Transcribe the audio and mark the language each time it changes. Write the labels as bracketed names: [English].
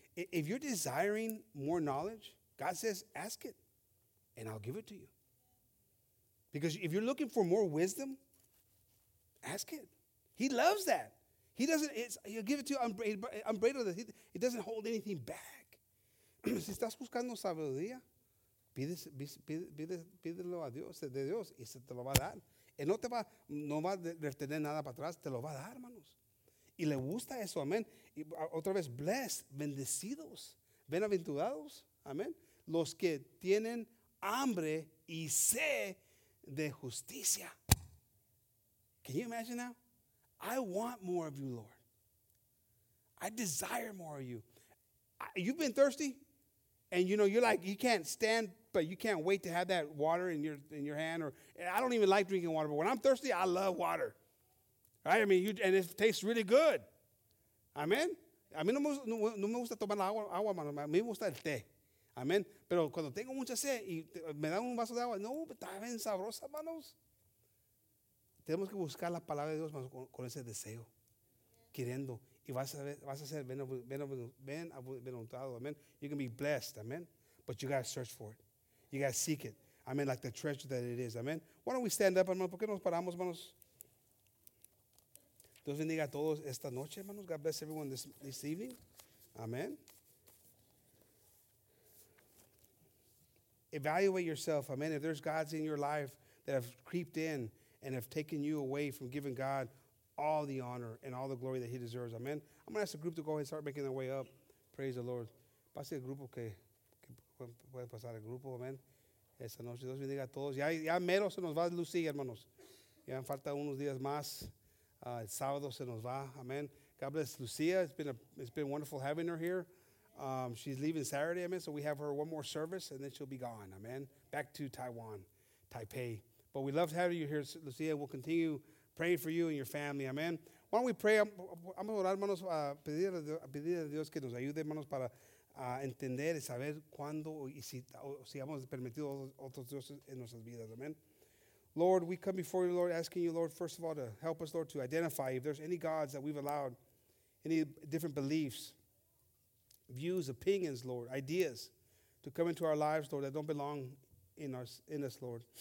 [English] If you're desiring more knowledge, God says, ask it, and I'll give it to you. Because if you're looking for more wisdom, ask it. He loves that. He doesn't, he'll give it to you unbridled. It doesn't hold anything back. [Spanish] Si estás buscando sabiduría, pídelo a Dios, de Dios, y se te lo va a dar. Él no va a retener nada para atrás, te lo va a dar, hermanos. Y le gusta eso, amén. Y otra vez, blessed, bendecidos, bienaventurados, amén. Los que tienen hambre y sed de justicia. [English] Can you imagine that? I want more of you, Lord. I desire more of you. You've been thirsty, and you know, you're like, you can't stand, but you can't wait to have that water in your hand. Or I don't even like drinking water, but when I'm thirsty, I love water. Right? I mean, and it tastes really good. Amen? [Spanish] A mí no me gusta tomar agua, a mí me gusta el té. Amen? Pero cuando tengo mucha sed y me dan un vaso de agua, no, está bien sabrosa, manos. Tenemos que buscar la palabra de Dios más con ese deseo, queriendo. Y vas a ser bienaventurado, amen. [English] You can be blessed, amen. But you got to search for it. You got to seek it. Amen, like the treasure that it is, amen. Why don't we stand up, hermano? [Spanish] ¿Por qué nos paramos, manos? Dios bendiga a todos esta noche, hermanos. [English] God bless everyone this evening. Amen. Evaluate yourself. Amen. If there's gods in your life that have creeped in and have taken you away from giving God all the honor and all the glory that he deserves. Amen. I'm going to ask the group to go ahead and start making their way up. Praise the Lord. [Spanish] Pase el grupo que puede pasar el grupo. Amen. Esta noche Dios bendiga a todos. Ya mero se nos va a lucir, hermanos. Ya falta unos días más. El sábado se nos va. Amen. [English] God bless Lucia. It's been wonderful having her here. She's leaving Saturday, amen. So we have her one more service, and then she'll be gone. Amen. Back to Taiwan, Taipei. But we love having you here, Lucia. We'll continue praying for you and your family. Amen. Why don't we pray? [Spanish] Vamos a orar, hermanos, a pedir a Dios que nos ayude, hermanos, para entender y saber cuándo y si hemos permitido otros dioses en nuestras vidas. [English] Amen. Lord, we come before you, Lord, asking you, Lord, first of all, to help us, Lord, to identify if there's any gods that we've allowed, any different beliefs, views, opinions, Lord, ideas to come into our lives, Lord, that don't belong in us, Lord.